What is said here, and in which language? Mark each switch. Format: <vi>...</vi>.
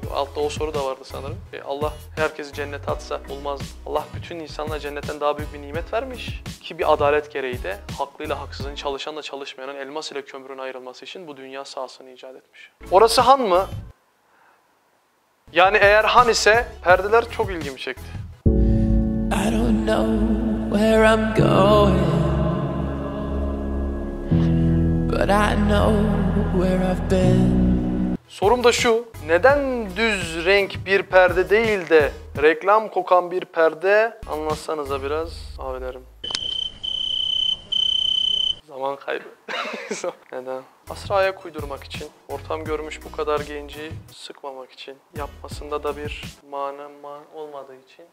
<tr>Altta o soru da vardı sanırım. Allah herkesi cennete atsa olmaz. Allah bütün insanlara cennetten daha büyük bir nimet vermiş. Ki bir adalet gereği de haklıyla haksızın, çalışanla çalışmayanın, elmas ile kömürün ayrılması için bu dünya sahasını icat etmiş. Orası han mı? Yani eğer han ise perdeler çok ilgimi çekti.</tr> <en>I don't know where I'm going, but I know where I've been.</en> <tr>Sorum da şu, neden düz renk bir perde değil de reklam kokan bir perde, anlatsanıza biraz abilerim. Zaman kaybı. Neden? Asra ayak uydurmak için, ortam görmüş bu kadar genci sıkmamak için, yapmasında da bir mani olmadığı için.</tr>